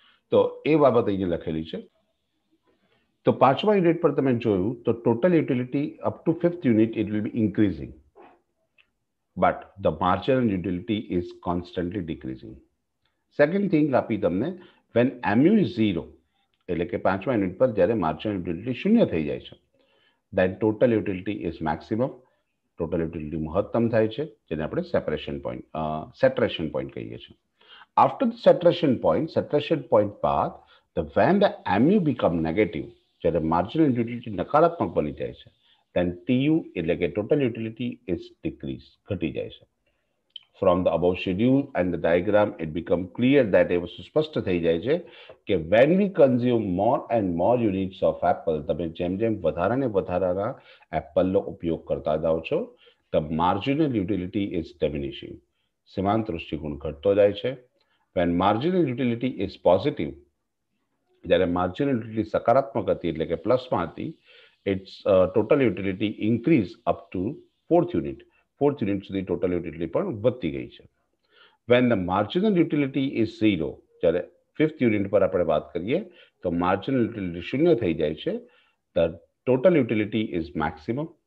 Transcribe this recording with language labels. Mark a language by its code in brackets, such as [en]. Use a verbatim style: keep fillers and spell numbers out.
[gu] તો એ બાબત અહીંયા લખેલી છે. તો પાંચમા યુનિટ પર તમે જોયું તો [en] Total utility up to fifth unit it will be increasing, but the marginal utility is constantly decreasing. Second thing [gu] આપી તમને [en] when mu is zero, [gu] એટલે કે પાંચમા યુનિટ પર જ્યારે માર્જિનલ યુટિલિટી શૂન્ય થઈ જાય છે [en] Then total utility is maximum. [gu] Total utility મહત્તમ થાય છે, જેને આપણે સેપરેશન પોઈન્ટ સેટરેશન પોઈન્ટ કહીએ છીએ. [en] After the saturation point, saturation point બાદ the when the mu become negative, [gu] જ્યારે marginal utility નકારાત્મક બની જાય છે, [en] then tu એટલે કે total utility is decrease, [gu] ઘટી જાય છે. [en] From the above schedule and the diagram, it become clear that [gu] એ વસ્તુ સ્પષ્ટ થઈ જાય છે કે [en] when we consume more and more units of apple, [gu] તમે જેમ જેમ વધારે ને વધારાના એપલનો ઉપયોગ કરતા જાઓ છો, [en] the marginal utility is diminishing. [gu] સીમાંત દૃષ્ટિકોણ ઘટતો જાય છે. [en] When marginal utility is positive, [gu] જ્યારે માર્જિનલ યુટિલિટી સકારાત્મક હતી એટલે કે પ્લસમાં હતી, [en] it's total utility increase up to fourth unit fourth unit [gu] સુધી ટોટલ યુટિલિટી પણ વધતી ગઈ છે. [en] when the marginal utility is zero, [gu] જ્યારે ફિફ્થ યુનિટ પર આપણે વાત કરીએ તો માર્જિનલ યુટિલિટી શૂન્ય થઈ જાય છે, [en] The total utility is maximum.